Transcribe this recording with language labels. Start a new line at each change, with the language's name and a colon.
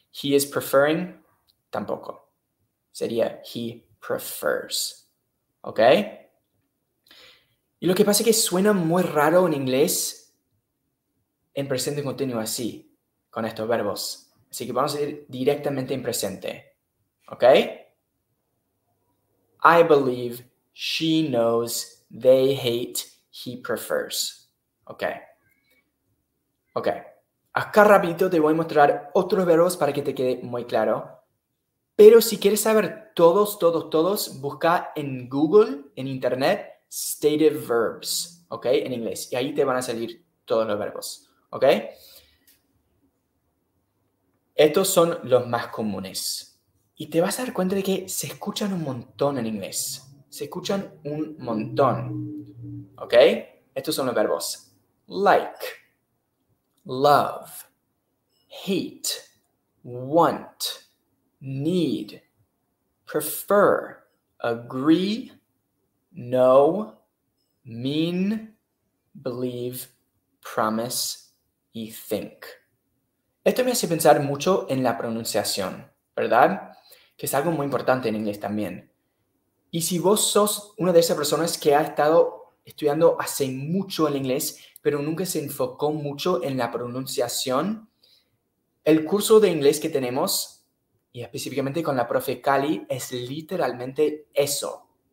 English: He is preferring, tampoco. Sería he prefers. ¿Ok?
Spanish: Y lo que pasa es que suena muy raro en inglés en presente continuo así, con estos verbos. Así que vamos a ir directamente en presente. ¿Ok?
English: I believe, she knows, they hate, he prefers.
Spanish: ¿Ok? ¿Ok? Acá rapidito te voy a mostrar otros verbos para que te quede muy claro. Pero si quieres saber todos, busca en Google, en Internet, stative verbs, ¿ok? En inglés. Y ahí te van a salir todos los verbos, ¿ok? Estos son los más comunes. Y te vas a dar cuenta de que se escuchan un montón en inglés. Se escuchan un montón, ¿ok? Estos son los verbos.
English: Like, love, hate, want, need, prefer, agree, know, mean, believe, promise, y think.
Spanish: Esto me hace pensar mucho en la pronunciación, ¿verdad? Que es algo muy importante en inglés también. Y si vos sos una de esas personas que ha estado estudiando hace mucho el inglés, pero nunca se enfocó mucho en la pronunciación, el curso de inglés que tenemos, y específicamente con la profe Cali, es literalmente eso.